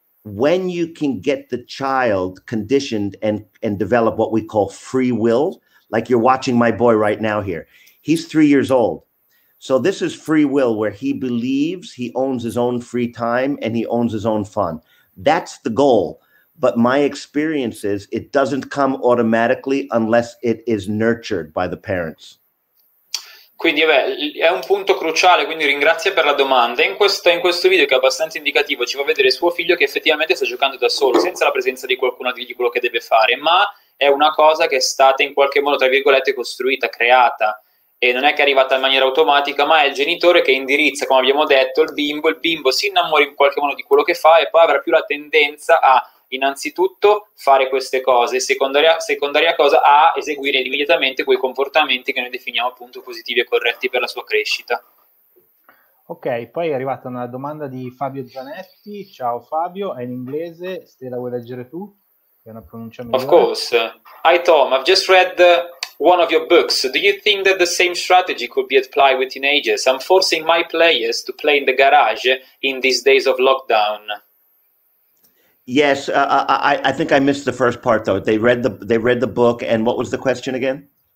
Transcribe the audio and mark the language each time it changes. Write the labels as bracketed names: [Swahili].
[English] When you can get the child conditioned and develop what we call free will, like you're watching my boy right now here, he's 3 years old. So this is free will, where he believes he owns his own free time and he owns his own fun. That's the goal. But my experience is it doesn't come automatically unless it is nurtured by the parents. [Italian] Quindi è un punto cruciale, quindi ringrazio per la domanda. In questo video, che è abbastanza indicativo, ci fa vedere suo figlio che effettivamente sta giocando da solo, senza la presenza di qualcuno a dirgli quello che deve fare, ma è una cosa che è stata in qualche modo, tra virgolette, costruita, creata, e non è che è arrivata in maniera automatica, ma è il genitore che indirizza, come abbiamo detto, il bimbo si innamora in qualche modo di quello che fa e poi avrà più la tendenza a, innanzitutto, fare queste cose, secondaria cosa, a eseguire immediatamente quei comportamenti che noi definiamo appunto positivi e corretti per la sua crescita. Ok, poi è arrivata una domanda di Fabio Zanetti. Ciao Fabio, è in inglese, se la vuoi leggere tu, è una pronuncia migliore. [English] Of course. Hi Tom, I've just read one of your books. Do you think that the same strategy could be applied with teenagers? I'm forcing my players to play in the garage in these days of lockdown. Yes, I think I missed the first part though. They read the book, and what was the question again?